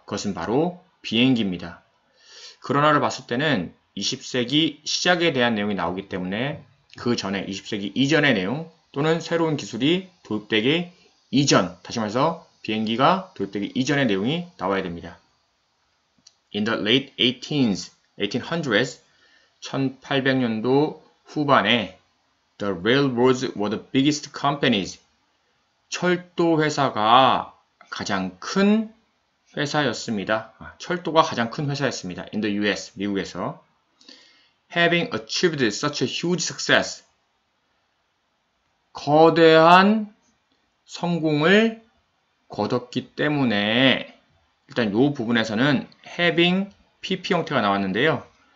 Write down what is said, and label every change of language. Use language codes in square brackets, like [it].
[ko] 그것은 바로 비행기입니다. 그러나를 봤을 때는 20세기 시작에 대한 내용이 나오기 때문에 그 전에 20세기 이전의 내용 또는 새로운 기술이 도입되기 이전, 다시 말해서 비행기가 도입되기 이전의 내용이 나와야 됩니다. [en] In the late 1800s, [ko] 1800년도 후반에 [en] The Railroads were the biggest companies. [ko] 철도 회사가 가장 큰 회사였습니다. 철도가 가장 큰 회사였습니다. [en] In the US, [ko] 미국에서. [en] Having achieved such a huge success. [ko] 거대한 성공을 거뒀기 때문에 일단 요 부분에서는 having PP 형태가 나왔는데요.